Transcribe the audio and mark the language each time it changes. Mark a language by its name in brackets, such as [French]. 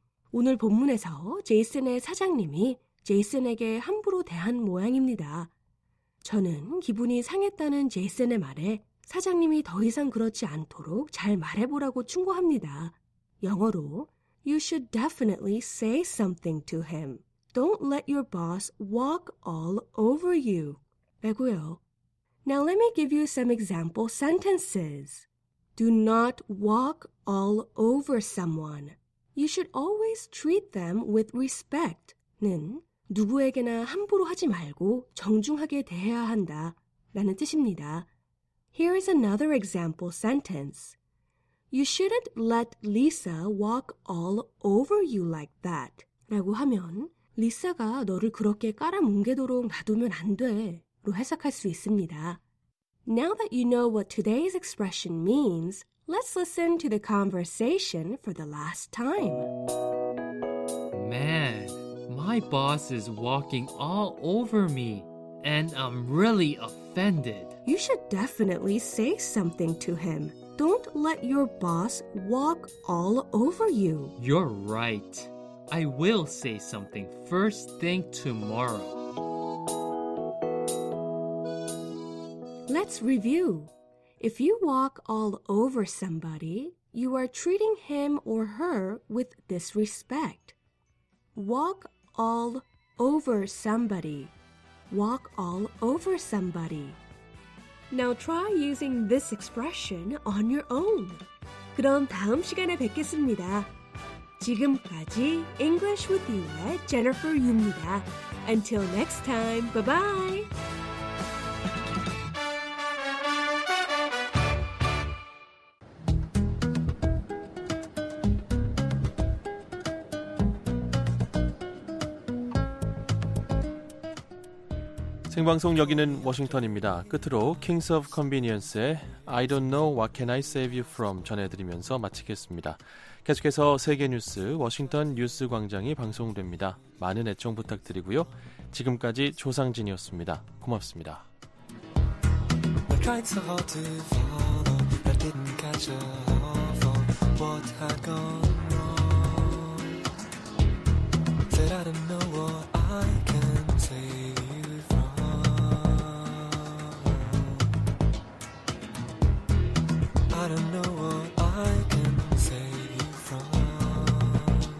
[Korean] 오늘 본문에서 제이슨의 사장님이 제이슨에게 함부로 대한 모양입니다. 저는 기분이 상했다는 제이슨의 말에 사장님이 더 이상 그렇지 않도록 잘 말해보라고 충고합니다. 영어로 [English] You should definitely say something to him. Don't let your boss walk all over you. [Korean] 라고요. [English] Now let me give you some example sentences. Do not walk all over someone. You should always treat them with respect [Korean] 는 누구에게나 함부로 하지 말고 정중하게 대해야 한다 라는 뜻입니다. [English] Here is another example sentence. You shouldn't let Lisa walk all over you like that. [Korean] 라고 하면 리사가 너를 그렇게 깔아뭉개도록 놔두면 안 돼 로 해석할 수 있습니다. [English] Now that you know what today's expression means, Let's listen to the conversation for the last time. Man, my boss is walking all over me, and I'm really offended. You should definitely say something to him. Don't let your boss walk all over you. You're right. I will say something first thing tomorrow. Let's review. If you walk all over somebody, you are treating him or her with disrespect. Walk all over somebody. Walk all over somebody. Now try using this expression on your own. [Korean] 그럼 다음 시간에 뵙겠습니다. 지금까지 English with You의 Jennifer Yu입니다. [English] Until next time, bye-bye! [Korean] Sing방송 여기는 워싱턴입니다. 끝으로 Kings of Convenience의 I don't know what can I save you from 전해드리면서 마치겠습니다. 계속해서 세계뉴스 워싱턴 뉴스광장이 방송됩니다. 많은 애청 부탁드리고요. 지금까지 조상진이었습니다. 고맙습니다. [English] I don't know what I can save you from.